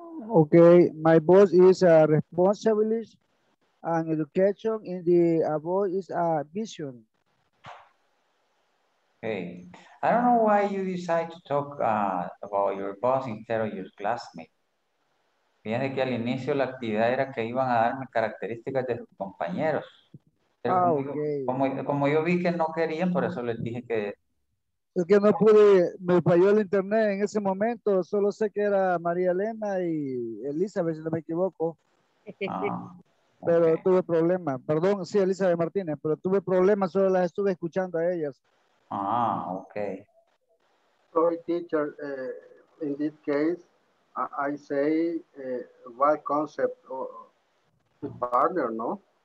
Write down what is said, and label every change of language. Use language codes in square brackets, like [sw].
[en] Okay, my boss is a responsibility and education in the above is a vision. Okay, I don't know why you decide to talk about your boss instead of your classmate. [es] Fíjense que al inicio la actividad era que iban a darme características de sus compañeros. Pero ah, okay. Como yo vi que no querían, por eso les dije que... Es que no pude, me falló el internet en ese momento. Solo sé que era María Elena y Elizabeth, si no me equivoco. Pero tuve problemas. Perdón, sí, Elizabeth Martínez, pero tuve problemas, solo las estuve escuchando a ellas. Ah, ok. [en] Sorry, teacher, in this case, I say what concept to partner, no?